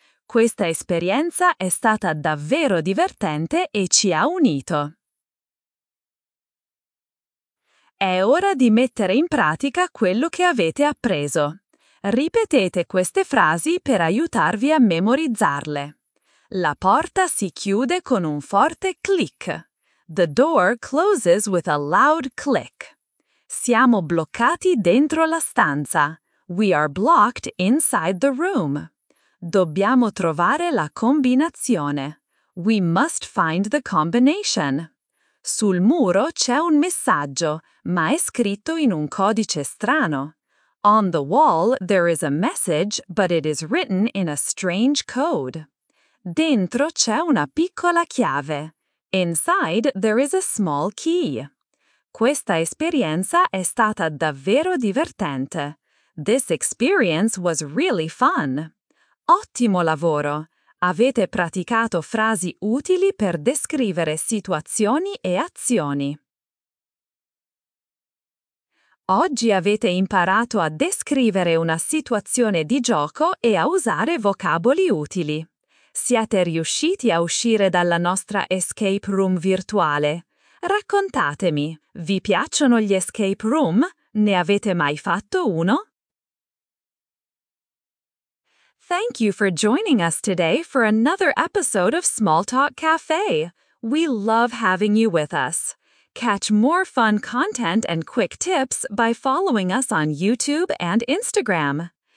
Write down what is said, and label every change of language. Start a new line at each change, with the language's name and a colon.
Italian: Questa esperienza è stata davvero divertente e ci ha unito. È ora di mettere in pratica quello che avete appreso. Ripetete queste frasi per aiutarvi a memorizzarle. La porta si chiude con un forte click.
English: The door closes with a loud click.
Italian: Siamo bloccati dentro la stanza.
English: We are blocked inside the room.
Italian: Dobbiamo trovare la combinazione.
English: We must find the combination.
Italian: Sul muro c'è un messaggio, ma è scritto in un codice strano.
English: On the wall there is a message, but it is written in a strange code.
Italian: Dentro c'è una piccola chiave.
English: Inside there is a small key.
Italian: Questa esperienza è stata davvero divertente.
English: This experience was really fun.
Italian: Ottimo lavoro! Avete praticato frasi utili per descrivere situazioni e azioni. Oggi avete imparato a descrivere una situazione di gioco e a usare vocaboli utili. Siete riusciti a uscire dalla nostra escape room virtuale? Raccontatemi, vi piacciono gli escape room? Ne avete mai fatto uno?
English: Thank you for joining us today for another episode of Smalltalk Cafe. We love having you with us. Catch more fun content and quick tips by following us on YouTube and Instagram.